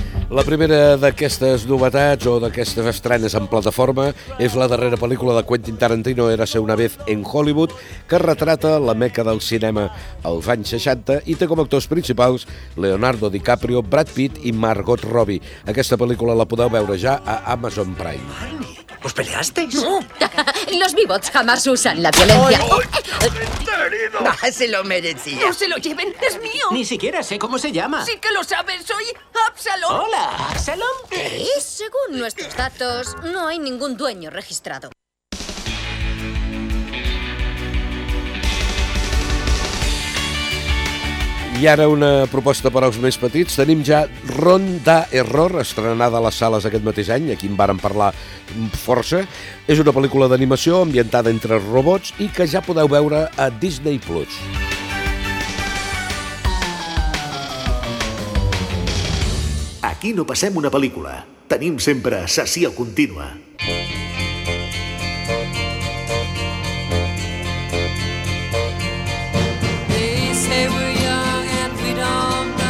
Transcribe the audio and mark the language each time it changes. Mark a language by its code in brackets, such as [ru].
[ca] La primera d'aquestes novetats o d'aquestes estrenes en plataforma és la darrera pel·lícula de Quentin Tarantino, Érase una vez en Hollywood, que retrata la meca del cinema als anys 60 i té com a actors principals Leonardo DiCaprio, Brad Pitt i Margot Robbie. Aquesta pel·lícula la podeu veure ja a Amazon Prime. [es] ¿Os peleasteis? No. Los Bebots jamás usan la violencia. ¡Ay, se lo merecía! ¡No se lo lleven! ¡Es mío! Ni siquiera sé cómo se llama. Sí que lo sabes, soy Absalom. Hola, ¿Absalom? ¿Qué? Según nuestros datos, no hay ningún dueño registrado. [ca] I ara una proposta per als més petits. Tenim ja Ronda Error, estrenada a les sales aquest mateix any, aquí en vàrem parlar força. És una pel·lícula d'animació ambientada entre robots i que ja podeu veure a Disney Plus. Aquí no passem una pel·lícula. Tenim sempre sessió contínua. [en] They say we're young and we don't.